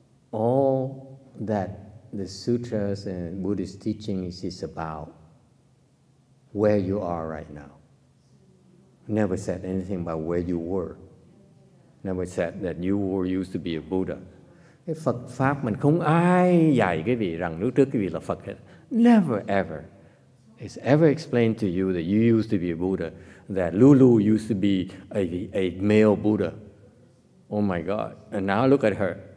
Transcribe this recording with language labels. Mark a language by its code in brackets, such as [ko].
[en] All that the sutras and Buddhist teachings is about where you are right now. Never said anything about where you were. Never said that you were used to be a Buddha. [vi] Cái Phật Pháp mình không ai dạy cái vị rằng lúc trước cái vị là Phật hết. [en] Never ever. It's ever explained to you that you used to be a Buddha, that Lulu used to be a male Buddha. Oh my God. And now look at her.